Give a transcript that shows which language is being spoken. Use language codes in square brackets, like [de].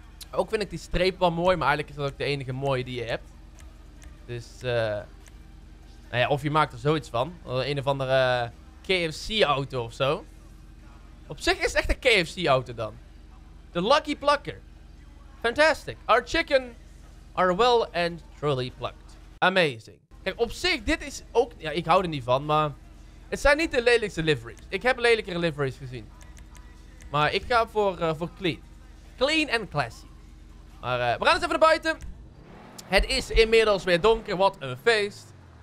[nl] Ook vind ik die streep wel mooi, maar eigenlijk is dat ook de enige mooie die je hebt. Dus... nou ja, of je maakt er zoiets van. Een of andere KFC auto of zo. Op zich is het echt een KFC auto dan. [en] De Lucky Plucker. Fantastic. Our chicken are well and truly plucked. [nl] Amazing. Kijk, op zich, dit is ook... Ja, ik hou er niet van, maar... Het zijn niet de lelijkste liveries. Ik heb lelijkere liveries gezien. Maar ik ga voor clean. [en] Clean and classy. [nl] Maar we gaan eens even naar buiten. Het is inmiddels weer donker. Wat een feest.